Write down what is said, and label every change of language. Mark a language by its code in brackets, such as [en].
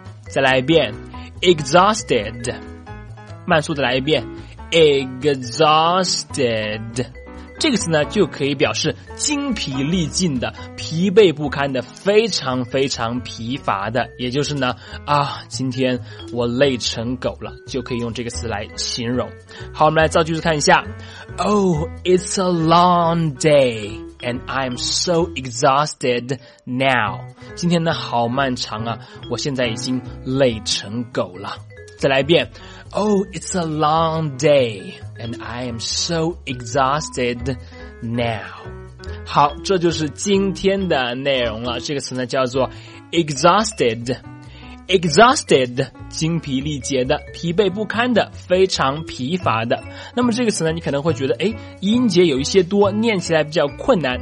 [zh] 再来一遍 exhausted， 慢速的来一遍 exhausted。这个词呢就可以表示精疲力尽的，疲惫不堪的，非常非常疲乏的，也就是呢啊，今天我累成狗了，就可以用这个词来形容。好，我们来造句子看一下。 [en] Oh, it's a long day and I'm so exhausted now. [zh] 今天呢好漫长啊，我现在已经累成狗了。再来一遍。 [en] Oh, it's a long day and I'm so exhausted now. [zh] 好，这就是今天的内容了。这个词呢叫做 exhausted。 Exhausted， 精疲力竭的，疲惫不堪的，非常疲乏的。那么这个词呢，你可能会觉得，音节有一些多，念起来比较困难。